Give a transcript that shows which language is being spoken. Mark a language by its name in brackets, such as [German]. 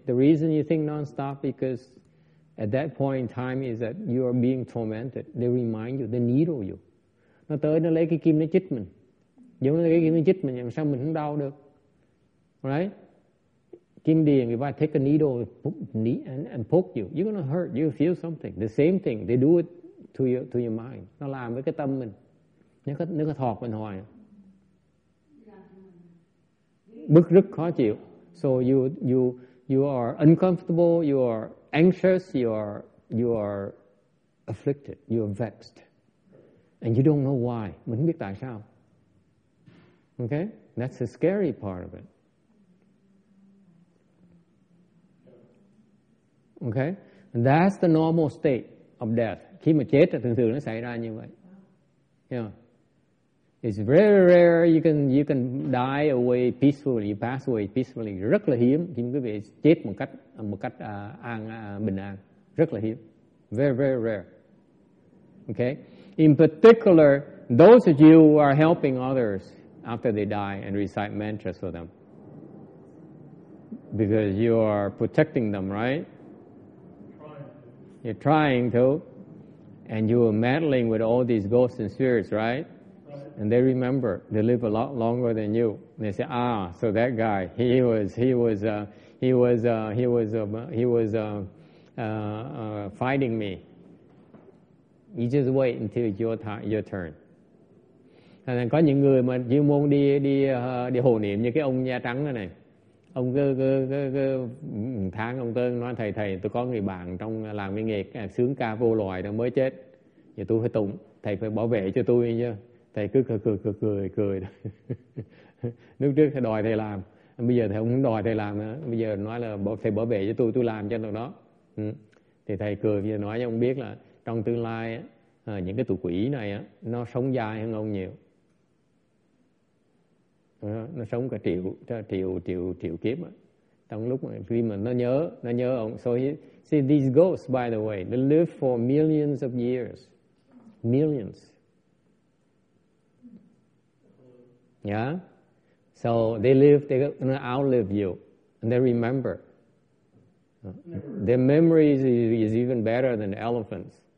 [English] The reason you think nonstop because at that point in time is that you are being tormented. They remind you, they needle you. [Vietnamese] Nó tới nó lấy cái kim nó chích mình. Giống như lấy cái kim nó chích mình, làm sao mình không đau được. [English] Right? [Vietnamese] Kim điền, [English] if I take a needle and poke you, you're going to hurt, you feel something. The same thing, they do it to your mind. [Vietnamese] Nó làm với cái tâm mình. Nếu có thọt mình hoài. Bức rất khó chịu. [English] So you are uncomfortable, you are anxious, you are afflicted, you are vexed. And you don't know why. [Vietnamese] Mình không biết tại sao. [English] Okay? That's the scary part of it. Okay? That's the normal state of death. [Vietnamese] Khi mà chết thì thường thường nó xảy ra như vậy. [English] Yeah. It's very rare you can die away peacefully, you pass away peacefully. [Vietnamese] Rất là hiếm khi quý vị chết một cách bình an. Rất là hiếm. [English] Very, very rare. Okay? In particular, those of you who are helping others after they die and recite mantras for them. Because you are protecting them, right? You're trying to, and you are meddling with all these ghosts and spirits, right? And they remember, they live a lot longer than you. And they say, ah, so that guy, he was fighting me. You just wait until your turn. And then [Vietnamese] có những người mà chuyên môn đi hồ niệm như cái ông da trắng này. Ông cứ tháng ông tới nói thầy tôi có người bạn trong làm cái nghề sướng ca vô loài đó mới chết. Giờ tôi phải tụng, thầy phải bảo vệ cho tôi chứ. Thầy cứ cười. Lúc trước thầy đòi thầy làm, bây giờ thầy không đòi thầy làm nữa. Bây giờ nói là thầy bảo vệ cho tôi làm cho tụi nó. Thì thầy cười, bây giờ nói cho ông biết là trong tương lai những cái tụ quỷ này nó sống dài hơn ông nhiều. Nó sống cả triệu kiếp. Trong lúc khi mà nó nhớ ông. [English] So see, these ghosts, by the way, they live for millions of years. Millions. Yeah? So they're going to outlive you. And they remember. Their memories is even better than the elephants.